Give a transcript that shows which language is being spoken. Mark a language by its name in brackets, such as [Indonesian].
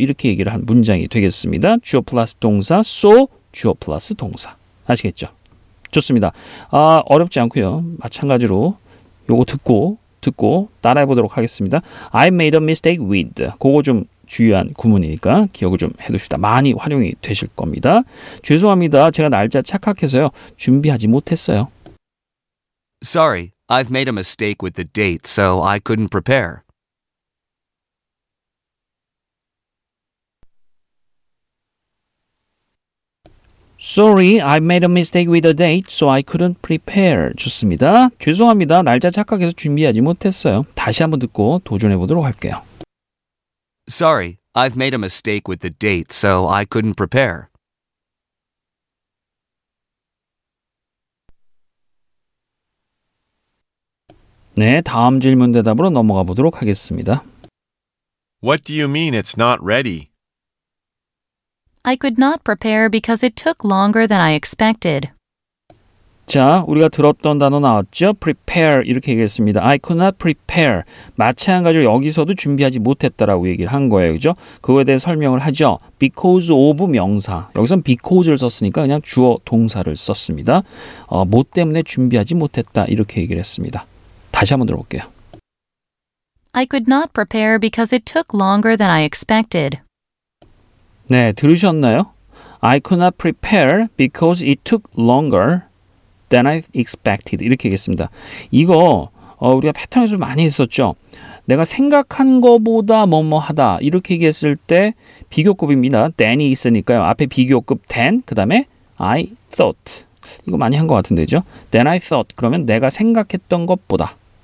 [Korean] 이렇게 얘기를 한 문장이 되겠습니다. 주어 플러스 동사, so, 주어 플러스 동사. 아시겠죠? 좋습니다. 어렵지 않고요. 마찬가지로 요거 듣고 따라해보도록 하겠습니다. [English] I made a mistake with. [Korean] 그거 좀 주의한 구문이니까 기억을 좀 해두십시다. 많이 활용이 되실 겁니다. 죄송합니다. 제가 날짜 착각해서요. 준비하지 못했어요. [English] Sorry, I've made a mistake with the date, so I couldn't prepare. Sorry, I made a mistake with the date, so I couldn't prepare. [Korean] 좋습니다. 죄송합니다. 날짜 착각해서 준비하지 못했어요. 다시 한번 듣고 도전해 보도록 할게요. [English] Sorry, I've made a mistake with the date, so I couldn't prepare. [Korean] Ne, 다음 질문 대답으로 넘어가 보도록 하겠습니다. [English] What do you mean it's not ready? I could not prepare because it took longer than I expected. [Korean] 자, 우리가 들었던 단어 나왔죠? [English] prepare [Korean] 이렇게 얘기했습니다. [English] I could not prepare. [Korean] 마찬가지로 여기서도 준비하지 못했다라고 얘기를 한 거예요. 그죠? 그거에 대해 설명을 하죠. because of 명사. 여기서는 because를 썼으니까 그냥 주어 동사를 썼습니다. 뭐 때문에 준비하지 못했다 이렇게 얘기를 했습니다. 다시 한번 들어볼게요. [English] I could not prepare because it took longer than I expected. [Korean] 네, 들으셨나요? [English] I could not prepare because it took longer than I expected. [Korean] 이렇게 얘기했습니다. 이거 우리가 패턴에서 많이 했었죠. 내가 생각한 것보다 뭐뭐하다 이렇게 얘기했을 때 비교급입니다. than이 있으니까요. 앞에 비교급 than, 그 다음에 [English] I thought. [Korean] 이거 많이 한 것 같은데죠? [English] Then I thought. [Korean] 그러면 내가 생각했던 것보다.